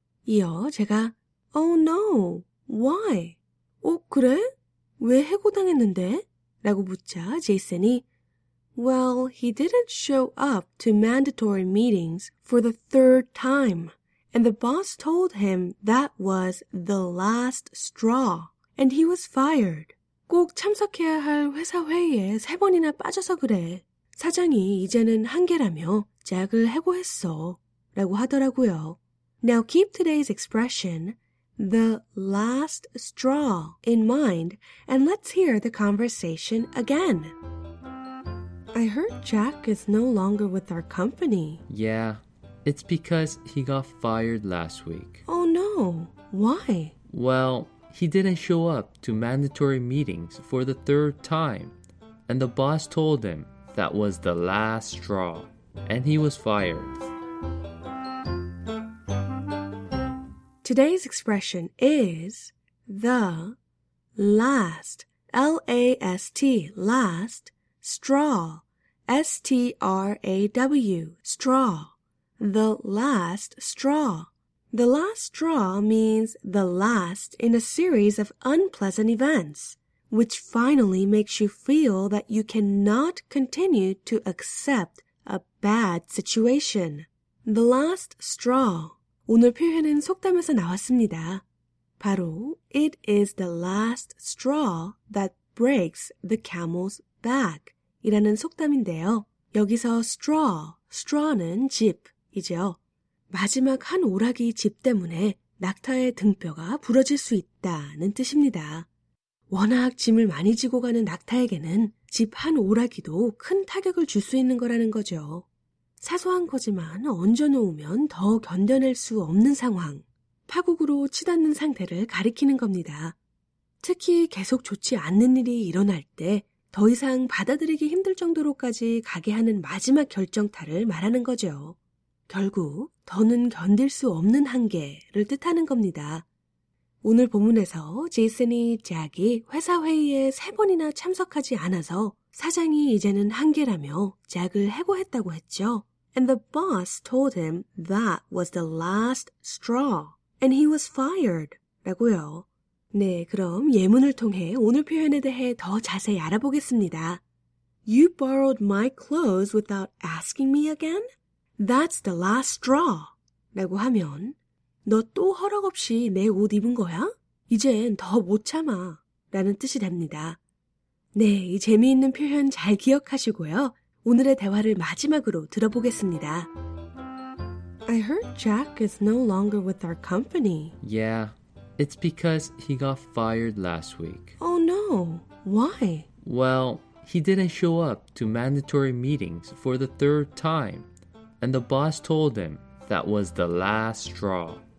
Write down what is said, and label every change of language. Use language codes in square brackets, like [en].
[ko] 이어 제가 [en] Oh no, why? [ko] 어, 그래? 왜 해고당했는데? 라고 묻자 제이슨이 [en] Well, he didn't show up to mandatory meetings for the third time. And the boss told him that was the last straw. And he was fired. [ko] 꼭 참석해야 할 회사 회의에 세 번이나 빠져서 그래. 사장이 이제는 한계라며 잭을 해고했어. 라고 하더라고요. [en] Now keep today's expression, the last straw, in mind, and let's hear the conversation again. I heard Jack is no longer with our company. Yeah, it's because he got fired last week. Oh no, why? Well, he didn't show up to mandatory meetings for the third time. And the boss told him that was the last straw. And he was fired. Today's expression is the last, L-A-S-T, last straw. S-T-R-A-W, straw, the last straw. The last straw means the last in a series of unpleasant events, which finally makes you feel that you cannot continue to accept a bad situation. The last straw. [ko] 오늘 표현은 속담에서 나왔습니다. 바로, [en] it is the last straw that breaks the camel's back. [ko] 이라는 속담인데요. 여기서 straw, straw는 집이죠. 마지막 한 오락이 집 때문에 낙타의 등뼈가 부러질 수 있다는 뜻입니다. 워낙 짐을 많이 지고 가는 낙타에게는 집 한 오락이도 큰 타격을 줄 수 있는 거라는 거죠. 사소한 거지만 얹어놓으면 더 견뎌낼 수 없는 상황, 파국으로 치닫는 상태를 가리키는 겁니다. 특히 계속 좋지 않는 일이 일어날 때 더 이상 받아들이기 힘들 정도로까지 가게 하는 마지막 결정타를 말하는 거죠. 결국 더는 견딜 수 없는 한계를 뜻하는 겁니다. 오늘 본문에서 제이슨이 잭이 회사 회의에 세 번이나 참석하지 않아서 사장이 이제는 한계라며 잭을 해고했다고 했죠. [en] And the boss told him that was the last straw and he was fired [ko] 라고요. 네, 그럼 예문을 통해 오늘 표현에 대해 더 자세히 알아보겠습니다. [en] You borrowed my clothes without asking me again? That's the last straw. [ko] 라고 하면 너 또 허락 없이 내 옷 입은 거야? 이젠 더 못 참아. 라는 뜻이 됩니다. 네, 이 재미있는 표현 잘 기억하시고요. 오늘의 대화를 마지막으로 들어보겠습니다. [en] I heard Jack is no longer with our company. Yeah. It's because he got fired last week. Oh no, why? Well, he didn't show up to mandatory meetings for the third time. And the boss told him that was the last straw.